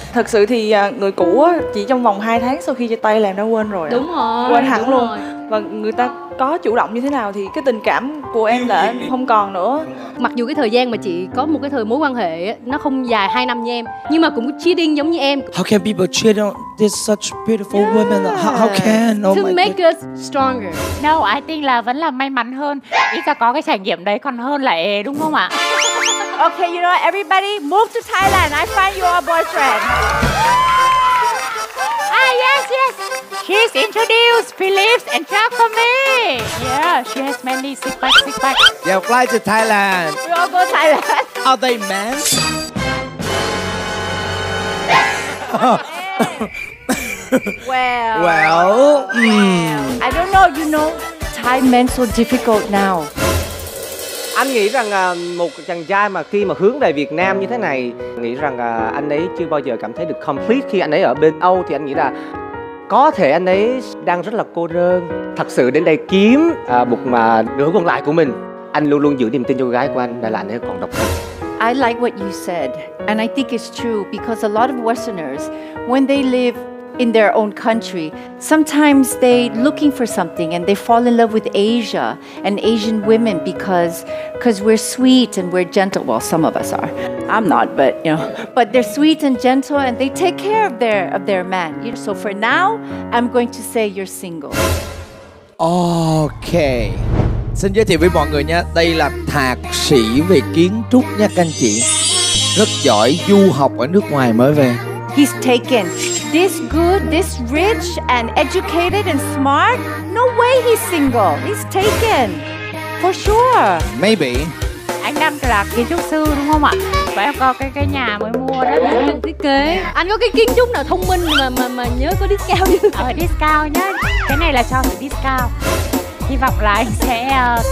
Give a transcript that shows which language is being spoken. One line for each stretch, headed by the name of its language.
Vietnamese: Thật sự thì người cũ á, chỉ trong vòng 2 tháng sau khi chia tay là em đã quên rồi. Đúng rồi. Quên hẳn luôn. Và người ta có chủ động như thế nào thì cái tình cảm của em là không còn nữa. Mặc dù cái thời gian mà chị có một cái thời mối quan hệ nó không dài 2 năm như em, nhưng mà cũng cheating giống như em.
English: How can people cheat on this such beautiful woman? How can? Oh my God. To make us stronger. No, I think
Vietnamese: là vẫn là may mắn hơn. Ít ra có cái trải nghiệm đấy còn hơn là ế, đúng không ạ?
English: Okay, you know what, everybody, move to Thailand. I find you all boyfriend. Ah, yes, yes. She's introduced Philippe and Chuck for me. Yeah, she has many six packs. Yeah, fly to Thailand. We all go to Thailand. Are they men? Well. I don't know, you know, Thai men so difficult now.
Vietnamese: Anh nghĩ rằng một chàng trai mà khi mà hướng về Việt Nam như thế này, nghĩ rằng anh ấy chưa bao giờ cảm thấy được complete khi anh ấy ở bên Âu, thì anh nghĩ là có thể anh ấy đang rất là cô đơn. Thật sự đến đây kiếm một mà nửa còn lại của mình. Anh luôn luôn giữ niềm tin cho cô gái của anh, đã là anh ấy còn độc thân.
English: I like what you said, and I think it's true because a lot of Westerners, when they live in their own country, sometimes they looking for something and they fall in love with Asia and Asian women because we're sweet and we're gentle. Well, some of us are. I'm not, but you know. But they're sweet and gentle and they take care of their man. You know, so for now, I'm going to say you're single. Okay.
Vietnamese: Xin giới thiệu với mọi người nha. Đây là thạc sĩ về kiến trúc nha các anh chị. Rất giỏi du học ở nước ngoài mới về.
English: He's taken. This good, this rich and educated and smart. No way he's single. He's taken. For sure. Maybe.
Vietnamese: Anh Nam là kiến trúc sư đúng không ạ? Và em có cái nhà mới mua đó, đang được thiết kế. Anh có cái kiến trúc nào thông minh mà nhớ có discount chứ? Ở discount nhá. Cái này là cho mình discount. Hy vọng là anh sẽ